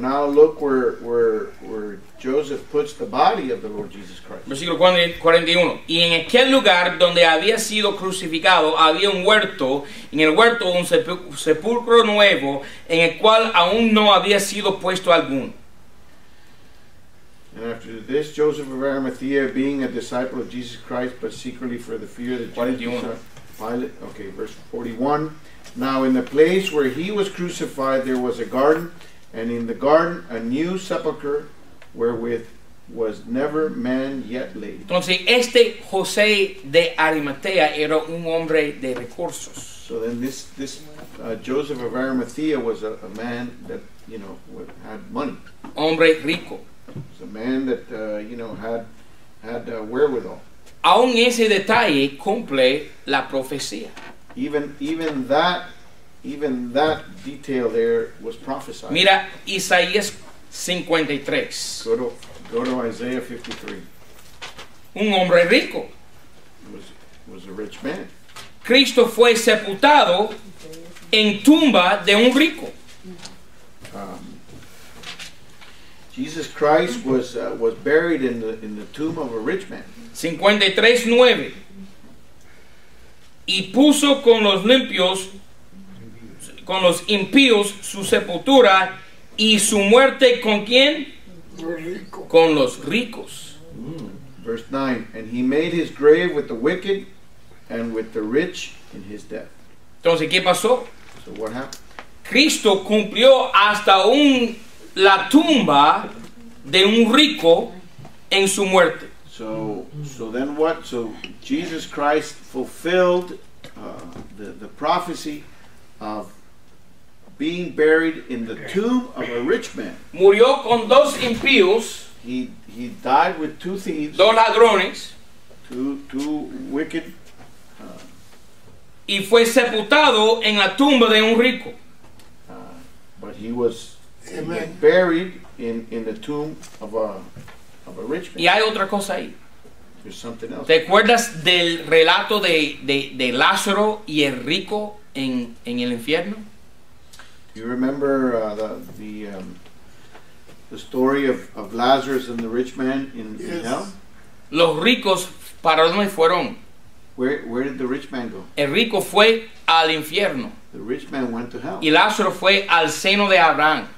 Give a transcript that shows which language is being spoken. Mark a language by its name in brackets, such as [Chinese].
[English] Now look where Joseph puts the body of the Lord Jesus Christ. [Spanish] Versículo 41. Y en aquel lugar donde había sido crucificado había un huerto, en el huerto un sepulcro nuevo en el cual aún no había sido puesto algún. [English] And after this, Joseph of Arimathea, being a disciple of Jesus Christ, but secretly for the fear of the Jews, Pilate, okay, verse 41. Now in the place where he was crucified, there was a garden, and in the garden, a new sepulcher, wherewith was never man yet laid. [Spanish] Entonces, este José de Arimatea era un hombre de recursos. [English] So then this Joseph of Arimathea was a man that, you know, had money. [Spanish] Hombre rico. [English] It's a man that you know had wherewithal. [Spanish] Aún ese detalle cumple la profecía. [English] Even that detail there was prophesied. [Spanish] Mira Isaías 53. [English] Go to Isaiah 53. [Spanish] Un hombre rico. [English] Was a rich man. [Spanish] Cristo fue sepultado en tumba de un rico. [English] Jesus Christ was buried in the tomb of a rich man. 53:9. [Spanish] Y puso con los impíos su sepultura y su muerte con quién? Con los ricos. [English] Verse 9. And he made his grave with the wicked and with the rich in his death. [Spanish] Entonces, ¿qué pasó? [English] So what happened? [Spanish] Cristo cumplió hasta la tumba de un rico en su muerte. [English] So then what? So Jesus Christ fulfilled the prophecy of being buried in the tomb of a rich man. [Spanish] Murió con dos impíos. [English] He died with two thieves. [Spanish] Dos ladrones. [English] Two wicked. [Spanish] Y fue sepultado en la tumba de un rico. [English] But he was buried in the tomb of a rich man. [Spanish] Y hay otra cosa ahí. [English] There's something else. [Spanish] ¿Te acuerdas del relato de Lázaro y el rico en el infierno? [English] Do you remember the story of Lazarus and the rich man in hell? [Spanish] Los ricos, ¿para dónde fueron? [English] Where did the rich man go? [Spanish] El rico fue al infierno. [English] The rich man went to hell. [Spanish] Y Lázaro fue al seno de Abraham.